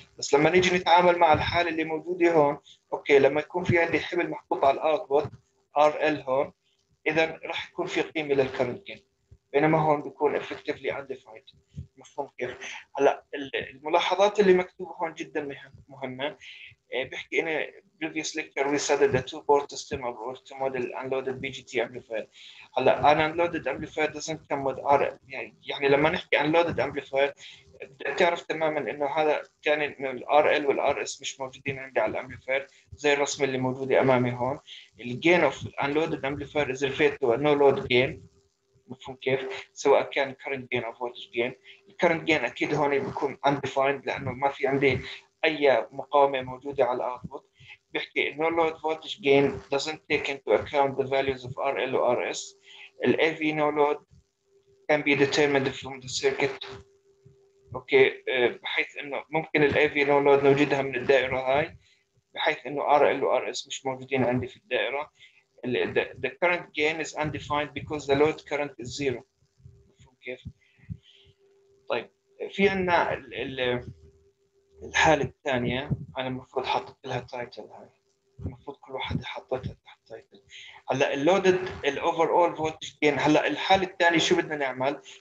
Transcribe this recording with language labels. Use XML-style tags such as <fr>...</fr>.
<ar>بس لما نيجي نتعامل مع الحالة اللي موجودة هون، اوكي لما يكون في عندي حمل محطوط على الاوتبوت ار ال هون، اذا راح يكون في قيمة للكرنت جين، بينما هون بيكون افكتفلي انديفايند. مفهوم كيف؟ هلا الملاحظات اللي مكتوبة هون جدا مهمة. بحكي انه</ar> <en>previous lecture we said that the two port system of our model unloaded BGT amplifier.</en> <ar>هلا</ar> <en>an unloaded amplifier doesn't come with R.</en> <ar>يعني لما نحكي unloaded amplifier تعرف تماما انه هذا يعني انه ال RL وال RS مش موجودين عندي على الامبليفاير زي الرسمه اللي موجوده امامي هون.</ar> <en>الجين of unloaded amplifier is referred to a no load gain.</en> <ar>مفهوم كيف؟ سواء كان current gain او voltage gain. الكرنت جين اكيد هون بيكون undefined لانه ما في عندي اي مقاومه موجوده على الاوتبوت. بيحكي</ar> <en>no load voltage gain doesn't take into account the values of RL or RS. The AV no load can be determined from the circuit.</en> <ar>Okay, بحيث انه ممكن ال AV no load نوجدها من الدائرة هاي، بحيث انه RL و RS مش موجودين عندي في الدائرة.</ar> <en>The current gain is undefined because the load current is zero.</en> <ar>كيف؟ طيب في عنا الحالة الثانية أنا المفروض حطيت لها تايتل، هاي المفروض كل واحد حطيتها تحت تايتل. هلا اللودد الاوفر اول فولتج جين، هلا الحالة الثانية شو بدنا نعمل؟</ar>